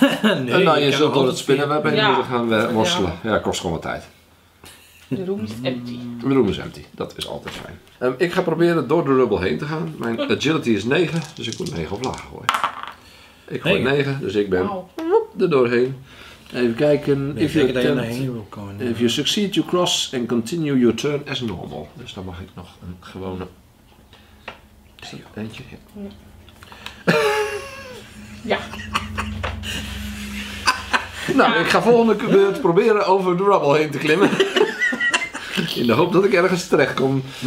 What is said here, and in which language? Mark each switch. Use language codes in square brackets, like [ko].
[nl] Nee, en dan je zult door het spinnenweb en moeten gaan worstelen. Ja, kost gewoon wat tijd. [en] De room is empty. De room is empty, [nl] dat is altijd fijn. Ik ga proberen door de rubble heen te gaan. Mijn agility is 9, dus ik moet 9 op lager gooien. Ik gooi 9, dus ik ben er doorheen. Even kijken. Nee, if, attempt, je komen, [en] if you succeed, you cross and continue your turn as normal. [nl] Dus dan mag ik nog een gewone. Eentje? Ja. Ja. Nou, ik ga volgende beurt proberen over de rubble heen te klimmen. In de hoop dat ik ergens terecht kom.